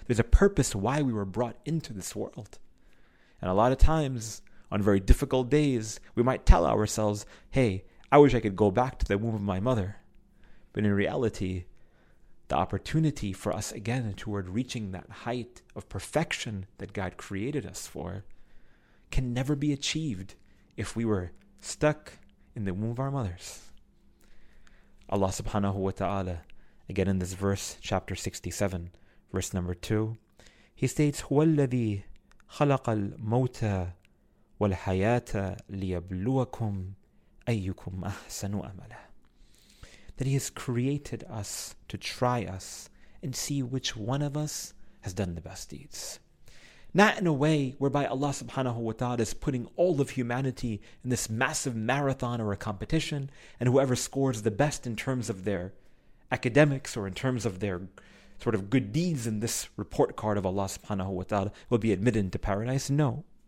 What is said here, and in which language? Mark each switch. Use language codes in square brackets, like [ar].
[en] There's a purpose why we were brought into this world. And a lot of times, on very difficult days, we might tell ourselves, hey, I wish I could go back to the womb of my mother. But in reality, the opportunity for us again toward reaching that height of perfection that God created us for can never be achieved if we were stuck in the womb of our mothers. Allah subhanahu wa ta'ala, again in this verse, chapter 67, verse number 2, he states, [ar] هو الذي خلق الموتى والحياة ليبلوكم أيكم أحسن أملا. [en] That he has created us to try us and see which one of us has done the best deeds. Not in a way whereby Allah subhanahu wa ta'ala is putting all of humanity in this massive marathon or a competition, and whoever scores the best in terms of their academics or in terms of their sort of good deeds in this report card of Allah subhanahu wa ta'ala will be admitted into paradise. No.